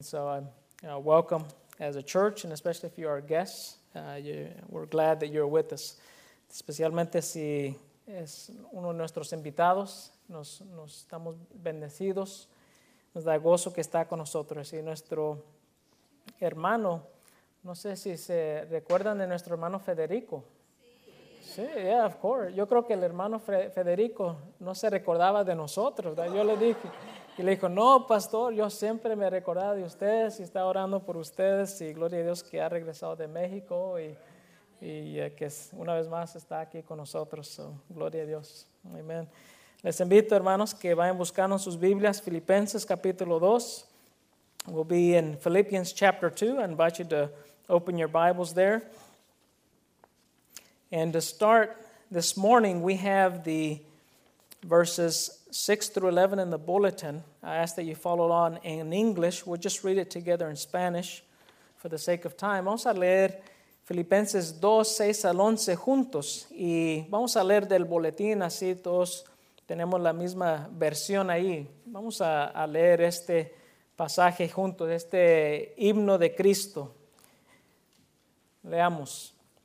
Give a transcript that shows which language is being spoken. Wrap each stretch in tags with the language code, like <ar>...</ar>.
<en>So I welcome as a church, and especially if you are guests, we're glad that you're with us.</en> <es>Especialmente si es uno de nuestros invitados, nos estamos bendecidos, nos da gozo que está con nosotros. Y nuestro hermano, no sé si se recuerdan de nuestro hermano Federico. Sí,</es> <en>yeah, of course.</en> <es>Yo creo que el hermano Federico no se recordaba de nosotros. Yo le dije, y le dijo, no, pastor, yo siempre me recordaba de ustedes y estaba orando por ustedes. Y gloria a Dios que ha regresado de México y que una vez más está aquí con nosotros. So, gloria a Dios. Amén. Les invito, hermanos, que vayan buscando sus Biblias, Filipenses capítulo 2.</es> <en>We'll be in Philippians chapter 2. I invite you to open your Bibles there. And to start this morning, we have the verses 6 through 11 in the bulletin. I ask that you follow along in English. We'll just read it together in Spanish for the sake of time.</en> <es>Vamos a leer Filipenses 2, 6 al 11 juntos. Y vamos a leer del boletín, así todos tenemos la misma versión ahí. Vamos a leer este pasaje juntos, este himno de Cristo. Leamos.</es>